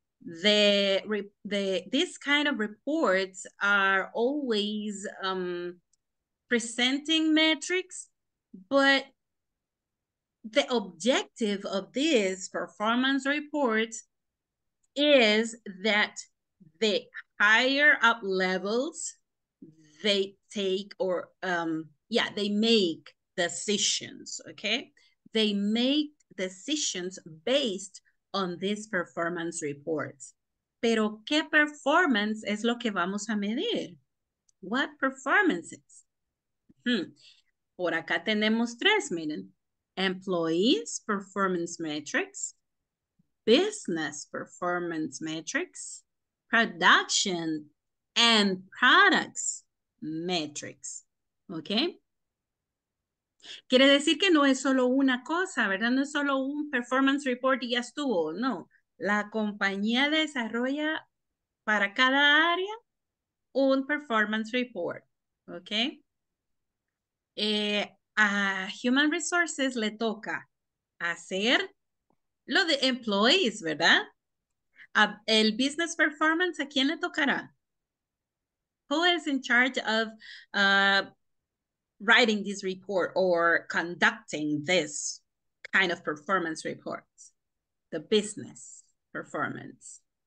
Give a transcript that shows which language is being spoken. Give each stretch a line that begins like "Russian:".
English: This kind of reports are always presenting metrics, but the objective of this performance report is that the higher up levels they take or, they make decisions, okay? They make decisions based on this performance report.
Spanish: Pero, ¿qué performance es lo que vamos a medir?
English: What performances?
Spanish: Por acá tenemos tres, miren.
English: Employees performance metrics, business performance metrics, production and products metrics, ¿ok?
Spanish: Quiere decir que no es solo una cosa, ¿verdad? No es solo un performance report y ya estuvo, no. La compañía desarrolla para cada área un performance report, ¿ok? A Human Resources le toca hacer lo de employees, ¿verdad? El business performance, ¿a quién le tocará?
English: Who is in charge of writing this report or conducting this kind of performance report? The business performance.